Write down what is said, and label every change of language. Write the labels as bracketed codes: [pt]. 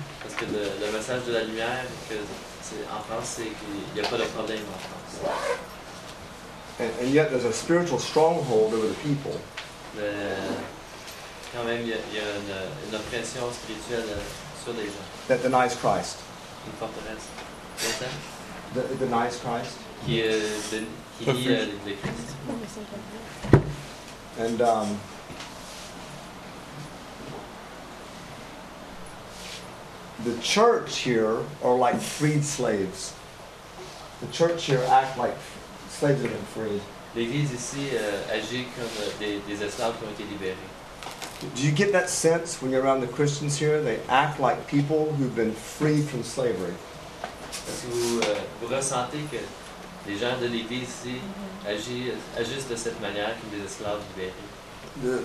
[fr] Parce que le message de la lumière que en France, c'est qu'il n'y a pas de problème en France. [en] And yet, there's a spiritual stronghold over the people. [fr] Mais quand même, il y a une oppression spirituelle sur les gens. [en] That denies Christ. [fr] Une forteresse. [en] That denies Christ. [fr] Qui nie le Christ. [en] And the church here are like freed slaves. The church here act like slaves have been freed. [fr] L'église ici agit comme des esclaves qui ont été libérés. [en] Do you get that sense when you're around the Christians here? They act like people who've been freed from slavery. [fr] Est-ce que vous ressentez que les gens de l'église ici agissent de cette manière comme des esclaves libérés?